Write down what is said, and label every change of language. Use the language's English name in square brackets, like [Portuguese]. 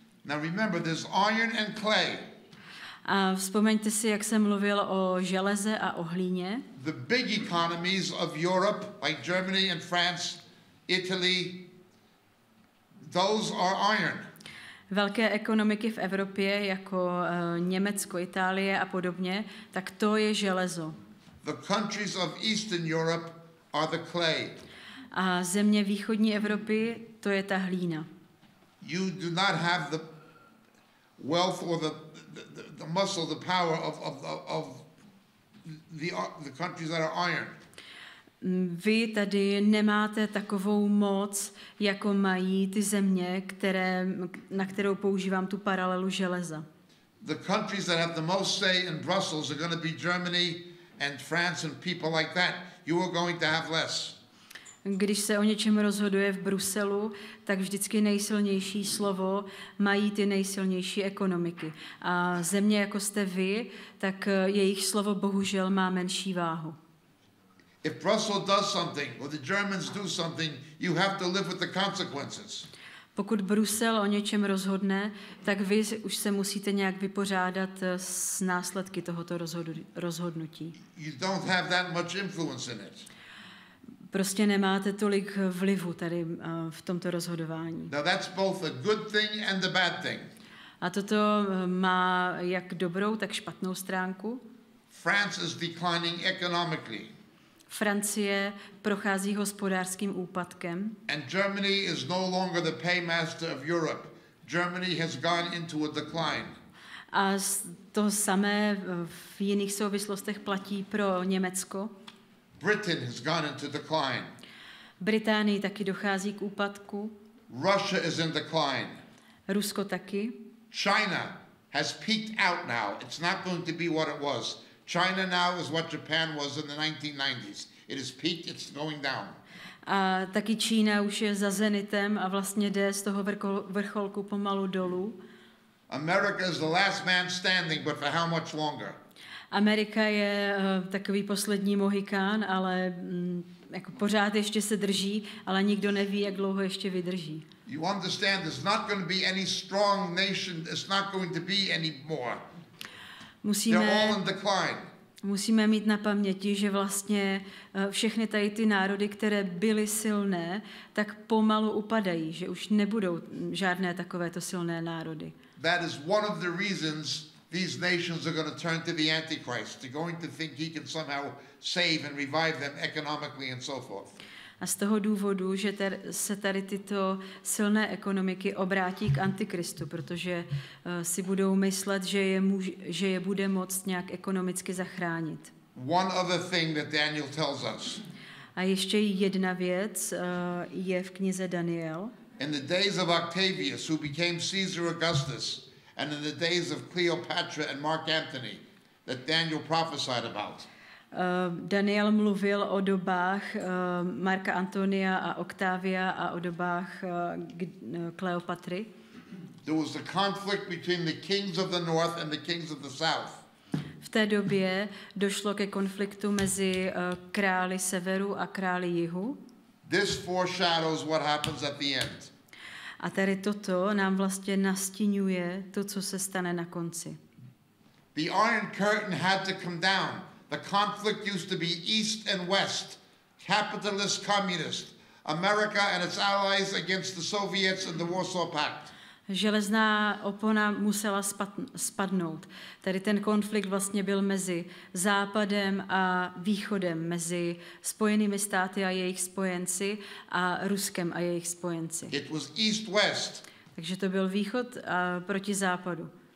[English] Now remember, there's iron and clay. [Czech] A vzpomeňte si, jak jsem mluvil o železe a o hlíně. [English] The big economies of Europe, like Germany and France, Italy, those are iron. [Czech] Velké ekonomiky v Evropě, jako Německo, Itálie a podobně, tak to je železo. [English] The countries of Eastern Europe are the clay. [Czech] A země východní Evropy, to je ta hlína. [English] You do not have the wealth or the muscle, the power of the countries that are iron. [Czech] Vy tady nemáte takovou moc, jako mají ty země, které, na kterou používám tu paralelu železa. [English] The countries that have the most say in Brussels are going to be Germany and France and people like that. You are going to have less. [Czech] Když se o něčem rozhoduje v Bruselu, tak vždycky nejsilnější slovo mají ty nejsilnější ekonomiky. A země, jako jste vy, tak jejich slovo bohužel má menší váhu. [English] If Brussels does something or the Germans do something, you have to live with the consequences. [Czech] Pokud Brusel o něčem rozhodne, tak vy už se musíte nějak vypořádat s následky tohoto rozhodnutí. [English] You don't have that much influence in it. [Czech] Prostě nemáte tolik vlivu tady v tomto rozhodování. [English] Now that's both a good thing and a bad thing. [Czech] A toto má jak dobrou, tak špatnou stránku. [English] France is declining economically. [Czech] Francie prochází hospodářským úpadkem. [English] And Germany is no longer the paymaster of Europe. Germany has gone into a decline. [Czech] A to samé v jiných souvislostech platí pro Německo. [English] Britain has gone into decline. [Czech] Británii taky dochází k úpadku. [English] Russia is in decline. [Czech] Rusko taky. [English] China has peaked out now. It's not going to be what it was. China now is what Japan was in the 1990s. It is peaked, it's going down. [Czech] A taky Čína už je za zenitem a vlastně jde z toho vrcholku pomalu dolů. [English] America is the last man standing, but for how much longer? [Czech] Amerika je takový poslední mohikán, ale jako pořád ještě se drží, ale nikdo neví, jak dlouho ještě vydrží. [English] You understand, there's not going to be any strong nation, it's not going to be any more. [Czech] Musíme, [English] they're all in decline. [Czech] Musíme mít na paměti, že vlastně všechny tady ty národy, které byly silné, tak pomalu upadají, že už nebudou žádné takovéto silné národy. [English] That is one of the reasons these nations are going to turn to the Antichrist. They're going to think he can somehow save and revive them economically and so forth. [Czech] A z toho důvodu, že se tady tyto silné ekonomiky obrátí k Antikristu, protože si budou myslet, že je bude moct nějak ekonomicky zachránit. [English] One other thing that Daniel tells us. [Czech] A ještě jedna věc je v knize Daniel. [English] In the days of Octavius, who became Caesar Augustus, and in the days of Cleopatra and Mark Antony, that Daniel prophesied about. [Czech] Daniel mluvil o dobách Marka Antonia a Octavia a o dobách Kleopatry. [English] There was a conflict between the kings of the north and the kings of the south. [Czech] V té době došlo ke konfliktu mezi králi severu a králi jihu. [English] This foreshadows what happens at the end. [Czech] A tady toto nám vlastně nastiňuje to, co se stane na konci. [English] The Iron Curtain had to come down. The conflict used to be East and West, capitalist communist, America and its allies against the Soviets and the Warsaw Pact. [Czech] Železná opona musela spadnout. Tady ten konflikt vlastně byl mezi Západem a Východem, mezi Spojenými státy a jejich spojenci a Ruskem a jejich spojenci. [English] It was East-West. [Czech] Takže to byl Východ proti Západu.